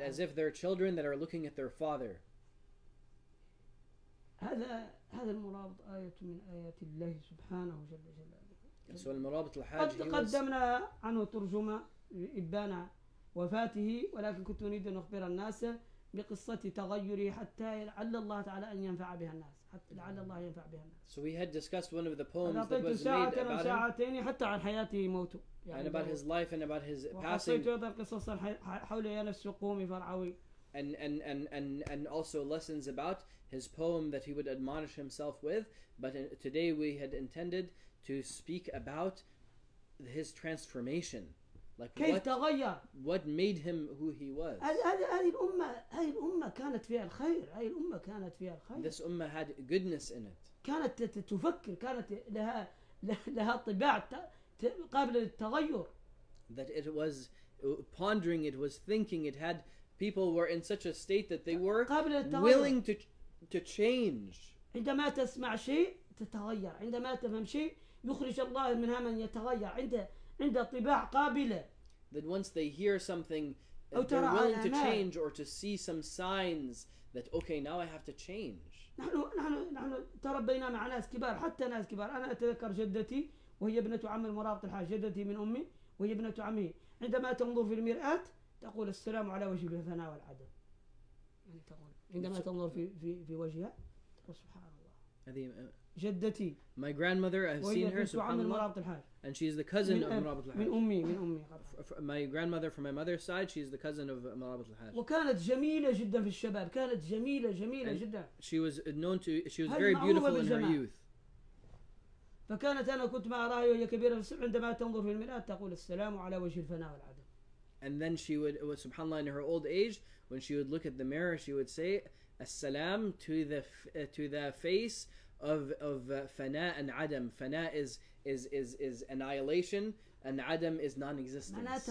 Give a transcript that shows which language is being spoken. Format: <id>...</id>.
<en>as if they're children that are looking at their father.</en> <ar>هذا المرابط آية من آيات الله سبحانه جل جلاله.</ar> <en>So</en> <ar>المرابط الحاج قدمنا عنه ترجمة إبان وفاته ولكن كنت نريد أن أخبر الناس بقصة تغيره حتى لعل الله تعالى أن ينفع بها الناس حتى لعل الله ينفع بها الناس.</ar> <en>So we had discussed one of the poems that was made about him.</en> <ar>ساعتين حتى عن حياته موته.</ar> <en>And about his life and about his passing.</en> <ar>وحصلت أيضا قصصا حول يانس قومي فرعوي</ar> <en>and also lessons about his poem that he would admonish himself with. But today we had intended to speak about his transformation. Like</en> <ar>كيف تغير؟</ar> <en>What made him who he was?</en> <ar>هذه الأمة كانت فيها الخير. هذه الأمة كانت فيها الخير.</ar> <en>This ummah had goodness in it.</en> <ar>كانت تفكر، كانت لها طباع قابلة للتغير.</ar> <en>That it was pondering, it was thinking, it had people were in such a state that they were willing to change.</en> <ar>عندما تسمع شيء تتغير، عندما تفهم شيء يخرج الله منها من يتغير. عند طباع قابلة.</ar> <en>That once they hear something, they're willing to change or to see some signs that okay, now I have to change.</en> <ar>نحن ترى بينا مع ناس كبار، حتى ناس كبار. أنا أتذكر جدتي وهي ابنة عم المرابط الحاج، جدتي من أمي وهي ابنة عمي. عندما تنظر في المرآة تقول السلام على وجهي بثناء والعدل. عندما تنظر في وجهها تقول سبحان الله. جدتي.</ar> <en>My grandmother, I've seen her, subhanAllah. And she's the cousin of Marabat al-Hajj.</en> <ar>من أمي.</ar> <en>My grandmother from my mother's side, she's the cousin of Marabat al-Hajj.</en> <ar>وكانت جميلة جدا في الشباب. كانت جميلة جدا.</ar> <en>She was very beautiful in her youth.</en> <ar>فكانت أنا كنت مع رأي وهي كبيرة في السن. عندما تنظر في المرآة تقول السلام على وجه الفناء والعدم.</ar> <en>And then she would, subhanAllah, in her old age, when she would look at the mirror, she would say, "Assalam to the face." Of fana and adam. Fana is annihilation, and adam is non-existence.</en>